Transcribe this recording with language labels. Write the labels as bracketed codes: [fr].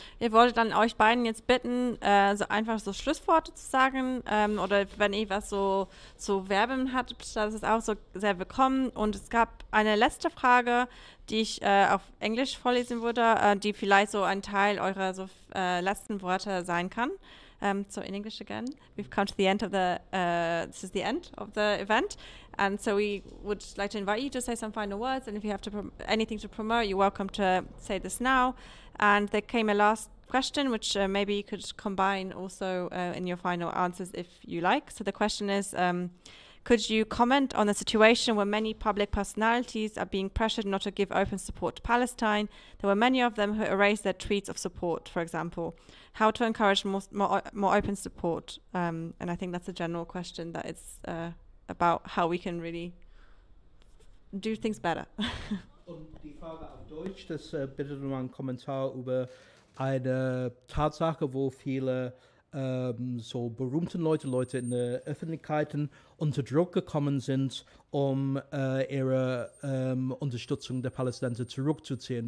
[de] Ihr wolltet dann euch beiden jetzt bitten, so einfach so Schlussworte zu sagen, oder wenn ihr was so zu werben habt, das ist auch so sehr willkommen. Und es gab eine letzte Frage, die ich auf Englisch vorlesen würde, die vielleicht so ein Teil eurer so letzten Worte sein kann. [en] So in English again, we've come to the end of the, this is the end of the event. And so we would like to invite you to say some final words. And if you have to anything to promote, you're welcome to say this now. And there came a last question, which maybe you could combine also in your final answers if you like. So the question is, could you comment on the situation where many public personalities are being pressured not to give open support to Palestine? There were many of them who erased their tweets of support, for example. How to encourage more open support? And I think that's a general question that it's about how we can really do things better. [de] Und die Frage auf Deutsch, das bitte nur einen Kommentar über eine Tatsache, wo viele so berühmten Leute in der Öffentlichkeit unter Druck gekommen sind, um ihre Unterstützung der Palästinenser zurückzuziehen.